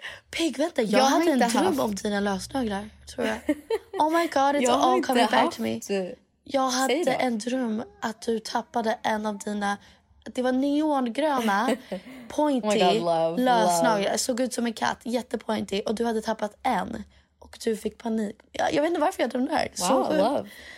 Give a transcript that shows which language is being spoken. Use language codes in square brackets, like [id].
[sv] Pig, vänta, jag hade en dröm om dina lösnaglar, tror jag. [en] Oh my god, it's all coming back to me. [sv] Jag hade en dröm att du tappade en av dina, det var neongröna, pointy lösnaglar. Såg ut som en katt, jättepointy, och du hade tappat en. Och du fick panik. Jag vet inte varför jag drömde det här. [en] Wow, love.